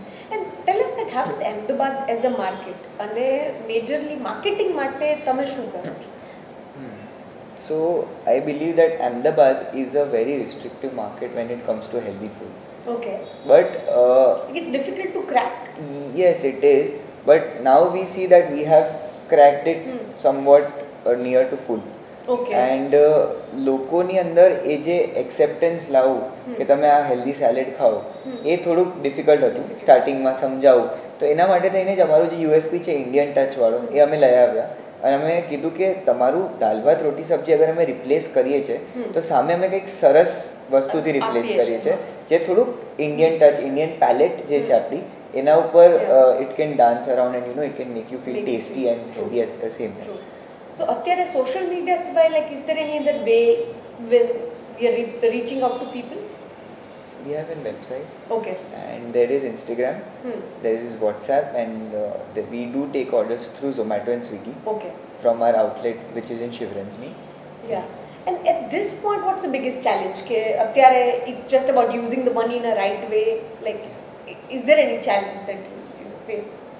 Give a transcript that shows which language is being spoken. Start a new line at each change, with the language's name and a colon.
English: tell us that how is Ahmedabad as a market,
Gujarati: અને majorly marketing માટે તમે શું કરો છો?
English: So I believe that Ahmedabad is a very restrictive market when it comes to healthy food. Okay. But it's difficult to crack. Yes, it is. But now we see that we have cracked it somewhat near to full. Okay.
Gujarati: And લોકો ની અંદર એ જે acceptance લાવું કે તમે આ healthy salad ખાઓ, એ થોડુંક ડિફિકલ્ટ હતું સ્ટાર્ટિંગમાં સમજાવું. તો એના માટે થઈને જ અમારું જે યુએસપી છે ઇન્ડિયન ટચ વાળો, એ અમે લઈ આવ્યા, અને અમે કીધું કે તમારું દાલ ભાત રોટી સબ્જી અગર અમે રિપ્લેસ કરીએ છીએ તો સામે અમે કંઈક સરસ વસ્તુથી રિપ્લેસ કરીએ છીએ, જે થોડુંક ઇન્ડિયન ટચ, ઇન્ડિયન પેલેટ જે છે આપણી, એના ઉપર
English: It can dance around and you know it can make you feel tasty and same. So
Gujarati: અત્યારે સોશિયલ મીડિયા સિવાય
English: Like is there any other way we are reaching out to people? We have a website. Okay. And there is Instagram. Hmm. There is WhatsApp, and we do take orders through Zomato and Swiggy. Okay. From our outlet, which is in Shivranjini. Yeah. And at this point, what's the biggest challenge?
Gujarati: Ke atyare
English: it's just about using the money in a right way. Like, is there any challenge that you face?